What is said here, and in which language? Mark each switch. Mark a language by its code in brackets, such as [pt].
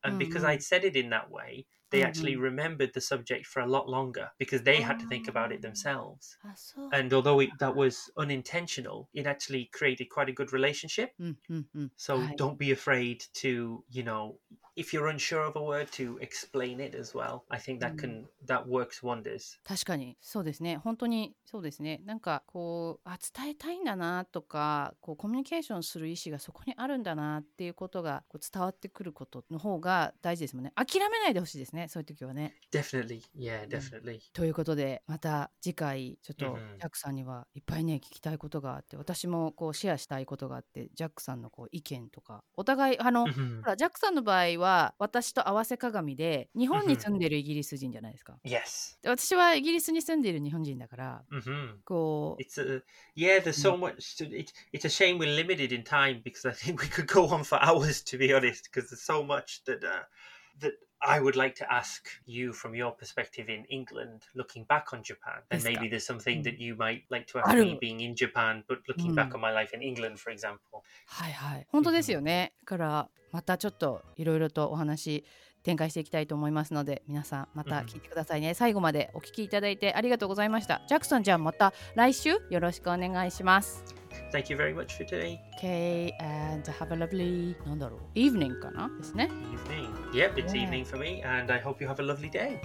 [en] And because I'd said it in that way, they actually remembered the subject for a lot longer because they had to think about it themselves. And although that was unintentional, it actually created quite a good relationship. So don't be afraid to, you know, if you're unsure of a word, to explain it as well. I think that can, that works wonders. [ja] 確かに、そうですね。本当にそうですね。なんかこう、あ、伝えたいんだなとか、こうコミュニケーションする意思がそこにあるんだなっていうことがこう伝わってくることの方が大事ですもんね。諦めないでほしいですね、そういう時はね。 [en] Definitely. Yeah, definitely. [ja] ということで、また次回、ちょっとジャックさんにはいっぱいね、聞きたいことがあって、私もこうシェアしたいことがあって、ジャックさんのこう意見とか、お互い、ほら、ジャックさんの場合は、は私と合わせ鏡で日本に住んでるイギリス人じゃないですか。 [en] Yes. [ja] 私はイギリスに住んでいる日本人だから、こう、 [en] there's so much. It's a shame we're limited in time because I think we could go on for hours to be honest. Because there's so much that that I would like to ask you from your perspective in England, looking back on Japan, and maybe there's something that you might like to ask me being in Japan, but looking back on my life in England, for example. [ja] はいはい、本当ですよね。だからまたちょっといろいろとお話展開していきたいと思いますので、皆さんまた聞いてくださいね。最後までお聞きいただいてありがとうございました。ジャクソン、じゃあまた来週よろしくお願いします。 [en] Thank you very much for today. Okay, and have a lovely, evening, [ja] かな? [en] Evening. Yep, it's evening for me, and I hope you have a lovely day.